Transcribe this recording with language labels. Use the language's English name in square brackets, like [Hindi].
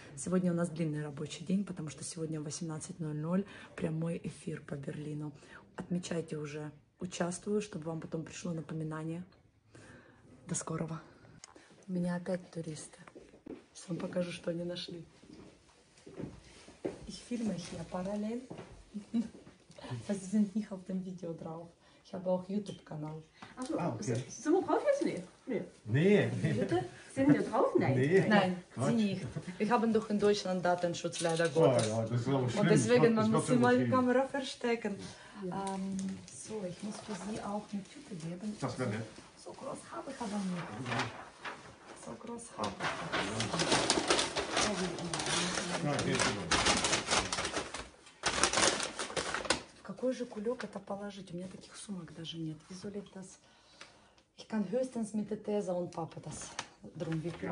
[Russian] Сегодня у нас длинный рабочий день, потому что сегодня в 18:00 прямой эфир по Берлину. Отмечайте уже, участвую, чтобы вам потом пришло напоминание. До скорого. У меня опять туристы. Сейчас вам покажу, что они нашли. [German] Ich filme hier parallel. Das sind nicht auf dem Video drauf. Ich habe auch YouTube-Kanal. Ach so, okay. Sind wir drauf jetzt nicht? Nee. Sind wir drauf? Nein. Nee. Nein, sie nicht. Wir haben doch in Deutschland Datenschutz leider Gottes. Ja, das ist auch schlimm. Und deswegen, man muss immer die Kamera verstecken. Ja. So, ich muss für Sie auch eine Tüte geben. Das wäre nett. So groß habe ich aber nicht. So groß habe ich aber nicht. Nein, [Russian] какой же кулек это положить? У меня таких сумок даже нет. Визуалит das. [German] Ich kann höchstens mit der Tesa und Papa das drum wickeln.